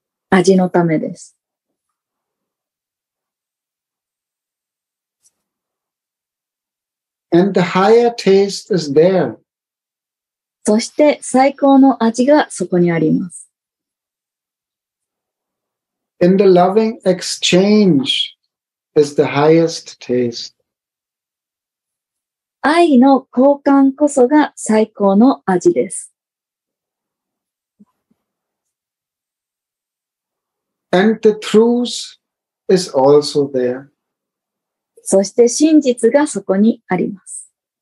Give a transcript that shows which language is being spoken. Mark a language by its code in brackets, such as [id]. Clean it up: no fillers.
[ja] 味のためです。 [en] And the higher taste is there. [ja] そして最高の味がそこにあります。 [en] In the loving exchange is the highest taste. [ja] 愛の交換こそが最高の味です。 [en] And the truth is also there. [ja] そして真実がそこにあります。